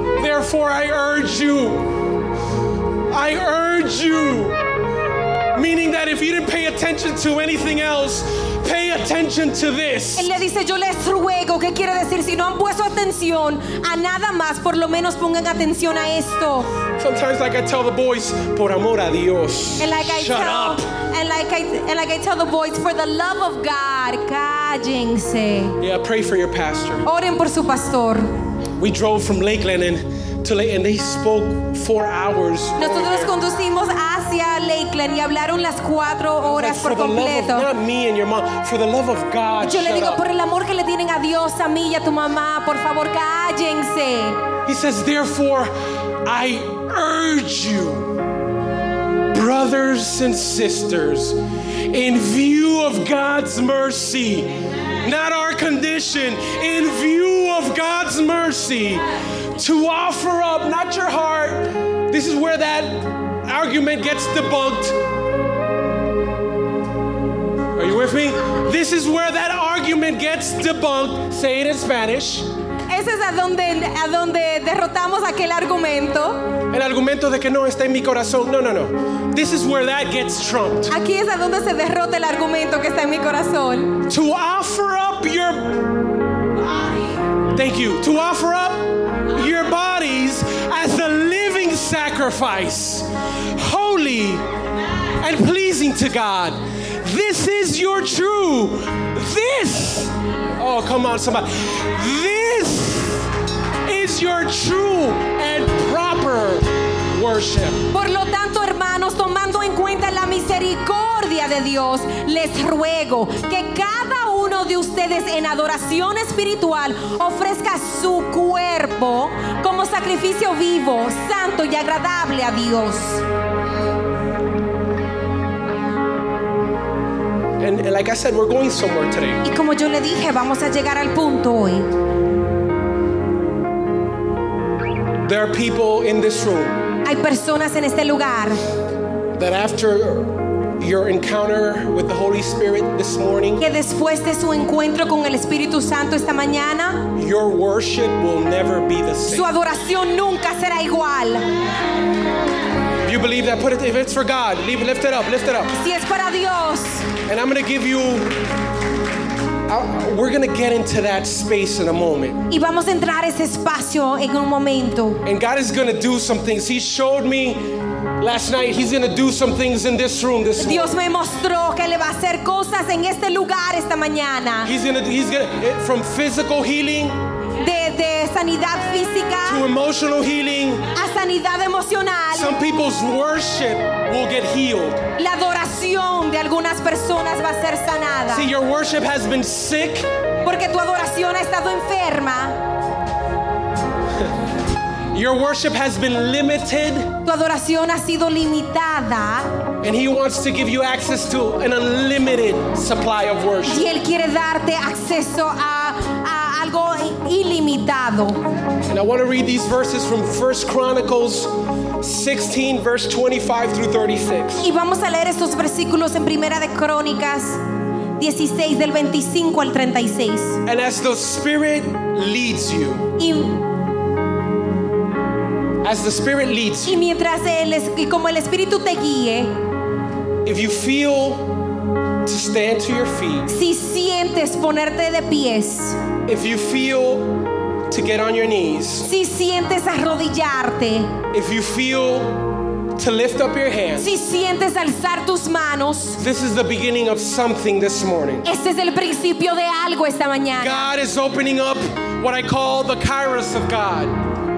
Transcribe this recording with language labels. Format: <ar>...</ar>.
<en>therefore I urge you, meaning that if you didn't pay attention to anything else, pay attention to this.</en> <es>Él le dice, yo les ruego, ¿qué quiere decir? Si no han puesto atención a nada más, por lo menos pongan atención a esto.</es> <en>Sometimes, like I tell the boys,</en> <es>por amor a Dios,</es> <en>shut up. And like I tell the boys, for the love of God,</en> <es>cállense.</es> <en>Yeah, pray for your pastor.</en> <es>Oren por su pastor.</es> <en>We drove from Lakeland and to Lakeland, and they spoke 4 hours.</en> <es>Nosotros conducimos hacia Lakeland y hablaron las 4 horas por completo.</es> <en>Not me and your mom. For the love of God.</en> <es>Yo le digo por el amor que le tienen a Dios, a mí y a tu mamá, por favor cállense.</es> <en>He says, therefore, I urge you, brothers and sisters, in view of God's mercy, not our condition, in view of God's mercy, to offer up, not your heart. This is where that argument gets debunked. Are you with me? This is where that argument gets debunked. Say it in Spanish.</en> <es>Ese es a donde derrotamos aquel argumento. El argumento de que no está en mi corazón.</es> <en>No, no, no. This is where that gets trumped.</en> <es>Aquí es a donde se derrota el argumento que está en mi corazón.</es> <en>To offer up your, thank you. To offer up your bodies as a living sacrifice, holy and pleasing to God. This is your true. This. Oh, come on, somebody. This is your true and proper worship.</en> <es>Por lo tanto, hermanos, tomando en cuenta la misericordia de Dios, les ruego que cada uno de ustedes en adoración espiritual ofrezca su cuerpo como sacrificio vivo, santo y agradable a Dios.</es> <en>And like I said, we're going somewhere today.</en> <es>Y como yo le dije, vamos a llegar al punto hoy.</es> <en>There are people in this room.</en> <es>Hay personas en este lugar.</es> <en>That after your encounter with the Holy Spirit this morning.</en> <es>Que después de su encuentro con el Espíritu Santo esta mañana.</es> <en>Your worship will never be the same.</en> <es>Su adoración nunca será igual.</es> <en>If you believe that, put it, if it's for God, lift it up, lift it up.</en> <es>Si es para Dios.</es> <en>And I'm going to give you, we're going to get into that space in a moment.</en> <es>Y vamos a entrar ese espacio en un momento.</es> <en>And God is going to do some things. He showed me last night, he's going to do some things in this room this morning.</en> <es>Dios me mostró que le va a hacer cosas en este lugar esta mañana.</es> <en>He's going to, from physical healing.</en> <es>De sanidad física,</es> <en>to emotional healing,</en> <es>a sanidad emocional.</es> <en>Some people's worship will get healed.</en> <es>La adoración de algunas personas va a ser sanada.</es> <en>See, your worship has been sick.</en> <es>Porque tu adoración ha estado enferma.</es> <en>Your worship has been limited.</en> <es>Tu adoración ha sido limitada.</es> <en>And he wants to give you access to an unlimited supply of worship.</en> <es>Y él quiere darte acceso a ilimitado.</es> <en>And I want to read these verses from 1 Chronicles 16, verse 25 through 36.</en> <es>Y vamos a leer estos versículos en Primera de Crónicas 16, del 25 al 36.</es> <en>And as the Spirit leads you.</en> <es>Y mientras él es, y como el Espíritu te guíe.</es> <en>If you feel to stand to your feet.</en> <es>Si sientes ponerte de pies.</es> <en>If you feel to get on your knees.</en> <es>Si sientes arrodillarte.</es> <en>If you feel to lift up your hands.</en> <es>Si sientes alzar tus manos.</es> <en>This is the beginning of something this morning.</en> <es>Este es el principio de algo esta mañana.</es> <en>God is opening up what I call the Kairos of God.</en>